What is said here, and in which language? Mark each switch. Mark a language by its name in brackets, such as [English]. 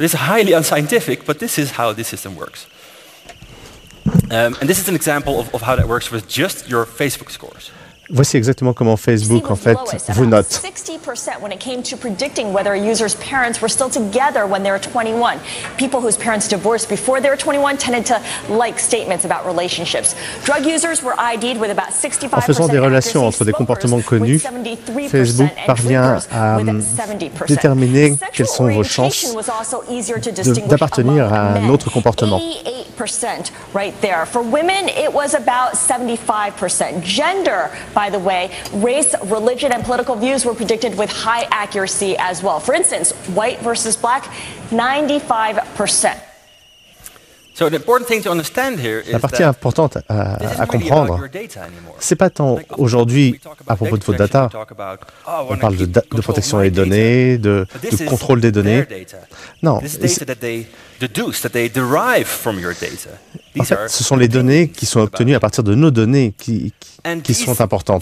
[English] And this is an example of how that works with just your Facebook scores. [French] Voici exactement comment Facebook, en fait, vous note. [English] 60% when it came to predicting whether a user's parents were still together when they were 21. People whose parents divorced before they were 21 tended to like statements about relationships. Drug users were ID'd with about 65%. [French] En faisant des relations entre des comportements connus, Facebook parvient à déterminer quelles sont vos chances d'appartenir à un autre comportement. [English] 88% right there. For women, it was about 75%. Gender, by the way, race, religion, and political views were predicted with high accuracy as well. For instance, white versus black, 95%. So the important thing to understand here is [French] la partie importante à comprendre, c'est pas tant aujourd'hui à propos de vos data, on parle de protection des données, de contrôle des données. Non, ce sont les données qui sont obtenues à partir de nos données qui sont importantes.